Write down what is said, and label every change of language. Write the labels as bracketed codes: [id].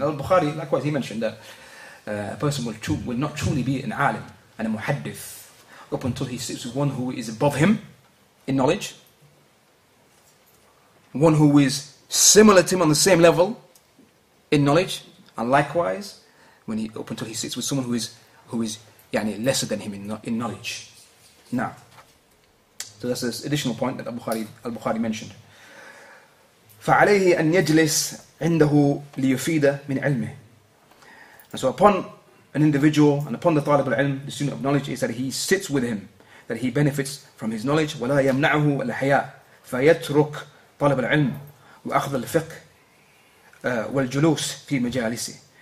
[en] Al-Bukhari, likewise, he mentioned that a person will not truly be an alim and a muhaddith up until he sits with one who is above him in knowledge, one who is similar to him on the same level in knowledge, and likewise, when he up until he sits with someone who is yani lesser than him in knowledge. Now, so that's this additional point that Al-Bukhari mentioned. [ar] فعليه أن يجلس عنده ليفيد من علمه. [en] And so upon an individual and upon the طالب العلم, the student of knowledge, is that he sits with him, that he benefits from his knowledge. [ar] ولا يمنعه الحياء فيترك طالب العلم وأخذ الفقه والجلوس في مجالسه.